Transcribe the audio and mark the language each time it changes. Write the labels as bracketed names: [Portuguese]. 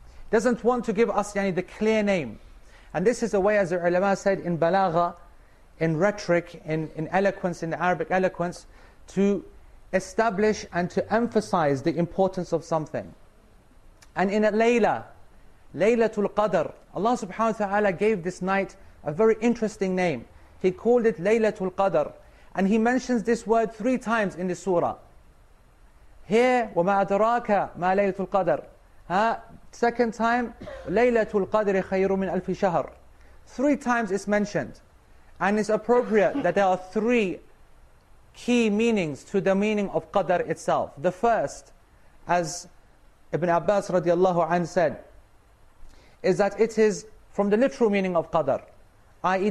[English] Doesn't want to give us the clear name. And this is the way, as the ulama said, in balagha, in rhetoric, in eloquence, in the Arabic eloquence, to establish and to emphasize the importance of something. And in a layla, Laylatul Qadr, Allah subhanahu wa ta'ala gave this night a very interesting name. He called it Laylatul Qadr. And He mentions this word three times in the surah. [Arabic] Here, وَمَا أَدْرَاكَ مَا لَيْلَةُ الْقَدْرِ. Second time, لَيْلَةُ الْقَدْرِ خَيْرٌ مِنْ أَلْفِ شَهْرٍ. [English] Three times it's mentioned. And it's appropriate that there are three key meanings to the meaning of Qadr itself. The first, as Ibn Abbas radiallahu anhu said, is that it is from the literal meaning of Qadr, i.e.